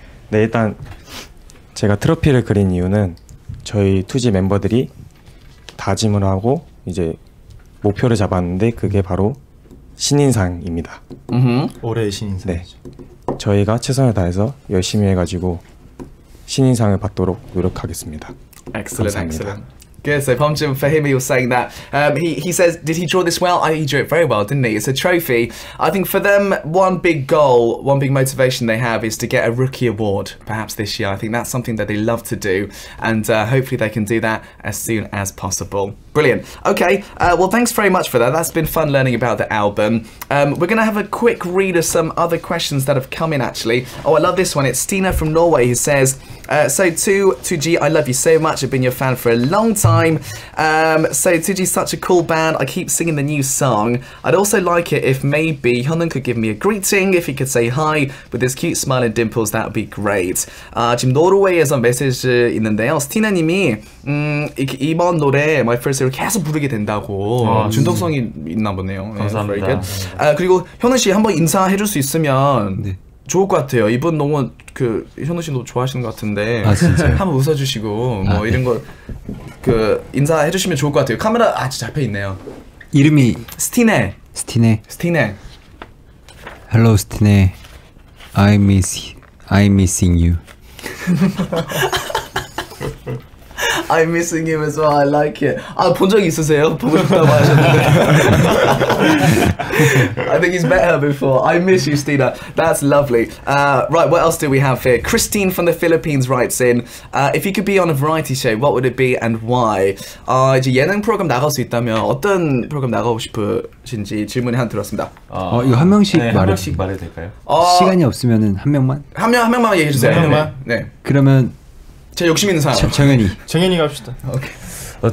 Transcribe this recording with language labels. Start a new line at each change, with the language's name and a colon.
Korean: 네, 일단 제가 트로피를 그린 이유는 저희 투지 멤버들이 다짐을 하고 이제 목표를 잡았는데 그게 바로 신인상입니다. 올해의 신인상. 네, 저희가 최선을 다해서 열심히 해가지고 신인상을 받도록 노력하겠습니다.
English: Excellent,
Korean: 감사합니다.
English: Excellent. Good. So, 범준, for him, he was saying that he says, did he draw this well? He drew it very well, didn't he? It's a trophy. I think for them, one big goal, one big motivation they have is to get a rookie award, perhaps this year. I think that's something that they love to do, and hopefully they can do that as soon as possible. Brilliant. Okay, well, thanks very much for that. That's been fun learning about the album. We're going to have a quick read of some other questions that have come in, actually. Oh, I love this one. It's Tina from Norway who says, so, TuZi, I love you so much. I've been your fan for a long time. So, TuZi's such a cool band. I keep singing the new song. I'd also like it if maybe Hyun Eun could give me a greeting, if he could say hi with his cute smile and dimples. That would be great.
Korean: 지금 노르웨이에서 메시지 있는데요. 스티나님이 이번 노래, my first 이렇게 계속 부르게 된다고 준덕성이 있나 보네요. 감사합니다. 아, 그리고 현우 씨 한번 인사해 줄 수 있으면 네. 좋을 것 같아요. 이분 너무 그 현우 씨도 좋아하시는 것 같은데 아, 진짜요? 한번 웃어주시고 아, 뭐 네. 이런 거 그 인사해 주시면 좋을 것 같아요. 카메라 아 진짜 잡혀 있네요. 이름이 스티네. 스티네. 스티네.
English: Hello, 스티네. I'm missing you. I'm missing him as well. I like it.
Korean: 아, 본 적 있으세요? 보고 싶다고 하셨는데.
English: I think he's met her before. I miss you, Stina. That's lovely. Right, what else do we have here? Christine from the Philippines writes in, if you could be on a variety show, what would it be and why?
Korean: 아, 이제 예능 프로그램 나갈 수 있다면 어떤 프로그램 나가고 싶으신지 질문을 한 들었습니다. 이거 한 명씩 말해. 네, 한 명씩 말해도 될까요? 시간이 없으면은 한 명만? 한 명만 얘기해 주세요. 한 명만? 네. 그러면 제 욕심 있는 사람 정현이. 정현이 갑시다. 오케이.